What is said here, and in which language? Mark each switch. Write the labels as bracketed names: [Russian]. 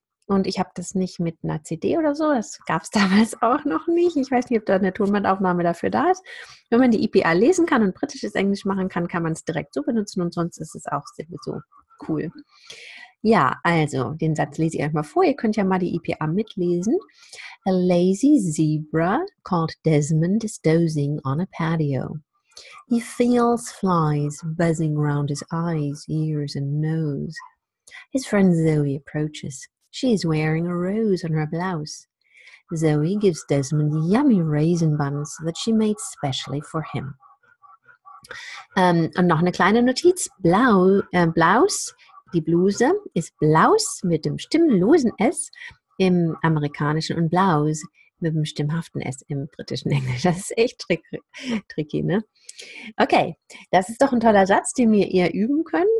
[German] Und ich habe das nicht mit einer CD oder so, das gab es damals auch noch nicht. Ich weiß nicht, ob da eine Tonbandaufnahme dafür da ist. Wenn man die IPA lesen kann und britisches Englisch machen kann, kann man es direkt so benutzen und sonst ist es auch so cool. Ja, also den Satz lese ich euch mal vor. Ihr könnt ja mal die IPA mitlesen. [English] A lazy zebra called Desmond is dozing on a patio. He feels flies buzzing round his eyes, ears and nose. His friend Zoe approaches. She is wearing a rose on her blouse. Zoe gives Desmond yummy raisin buns that she made specially for him. [German] Und noch eine kleine Notiz. Blouse, die Bluse, ist Blouse mit dem stimmlosen S im Amerikanischen und Blouse mit dem stimmhaften S im britischen Englisch. Das ist echt tricky, ne? Okay, das ist doch ein toller Satz, den ihr üben könnt.